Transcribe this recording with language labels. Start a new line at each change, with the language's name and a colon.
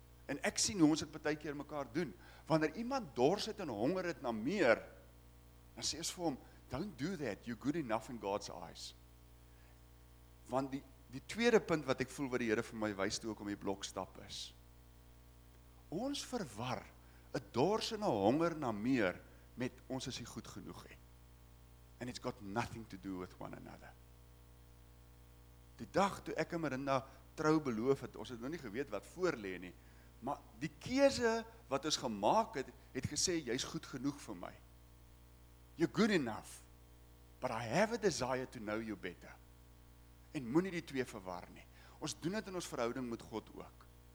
Afrikaans: En ek sien hoe ons dit baie keer mekaar doen. Wanneer iemand dors het en honger het na meer, dan sê ons vir hom,
English: don't do that, you're good enough in God's eyes.
Afrikaans: Want die tweede punt wat ek voel wat die Here vir my wys toe ook om die blok stap is, ons verwar 'n dors en 'n honger na meer met ons is nie goed genoeg nie.
English: And it's got nothing to do with one another.
Afrikaans: Die dag toe ek en Marinda trou beloof het, ons het nog nie geweet wat voorlê nie, maar die keuse wat ons gemaak het, het gesê jy's goed genoeg vir my.
English: You're good enough, but I have a desire to know you better.
Afrikaans: En moenie die twee verwar nie. Ons doen dit in ons verhouding met God ook.